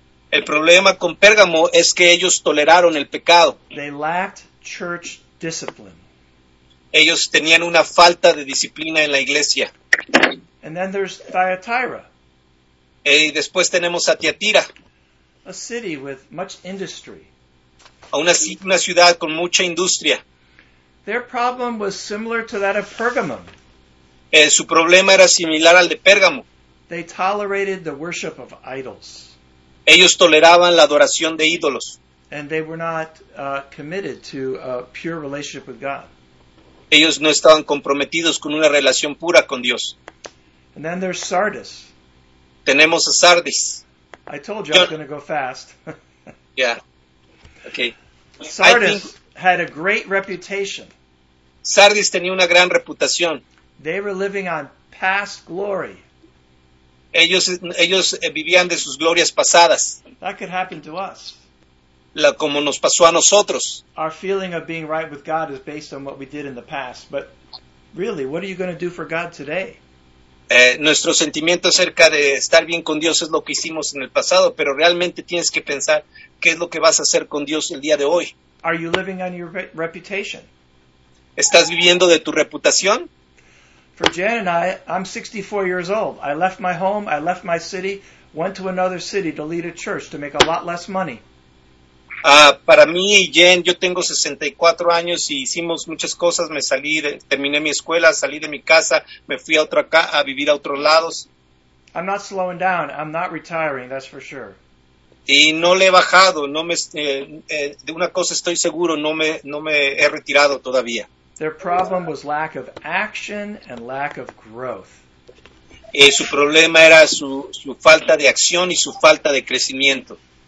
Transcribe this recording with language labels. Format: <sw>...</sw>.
<es>El problema con Pérgamo es que ellos toleraron el pecado.</es> <en>They lacked church discipline.</en> <es>Ellos tenían una falta de disciplina en la iglesia.</es> <en>And then there's Thyatira.</en> <es>Y después tenemos a Tiatira.</es> <en>A city with much industry.</en> <es>Una ciudad con mucha industria.</es> <en>Their problem was similar to that of Pergamum.</en> <es>Su problema era similar al de Pérgamo.</es> <en>They tolerated the worship of idols.</en> <es>Ellos toleraban la adoración de ídolos.</es> <en>And they were not committed to a pure relationship with God.</en> <es>Ellos no estaban comprometidos con una relación pura con Dios.</es> <en>And then there's Sardis.</en> <es>Tenemos a Sardis.</es> <en>I told you I was going to go fast. Yeah. Okay. Sardis. had a great reputation.</en> <es>Sardis tenía una gran reputación.</es> <en>They were living on past glory.</en> <es>Ellos vivían de sus glorias pasadas.</es> <en>That could happen to us.</en> <es>Como nos pasó a nosotros.</es> <en>Our feeling of being right with God is based on what we did in the past. But really, what are you going to do for God today?</en> <es>Nuestro sentimiento acerca de estar bien con Dios es lo que hicimos en el pasado, pero realmente tienes que pensar qué es lo que vas a hacer con Dios el día de hoy.</es> <en>Are you living on your reputation?</en> <es>¿Estás viviendo de tu reputación?</es> <en>For Jan and I, I'm 64 years old. I left my home, I left my city, went to another city to lead a church to make a lot less money.</en> <es>Para mí y Jen, yo tengo 64 años y hicimos muchas cosas. Me salí, terminé mi escuela, salí de mi casa, me fui a otro acá a vivir a otros lados.</es> <en>I'm not slowing down. I'm not retiring. That's for sure.</en> <es>Y no le he bajado. No me de una cosa estoy seguro. No me he retirado todavía.</es> <en>Their problem was lack of action and lack of growth.</en> <es>Y su problema era su falta de acción y su falta de crecimiento.</es>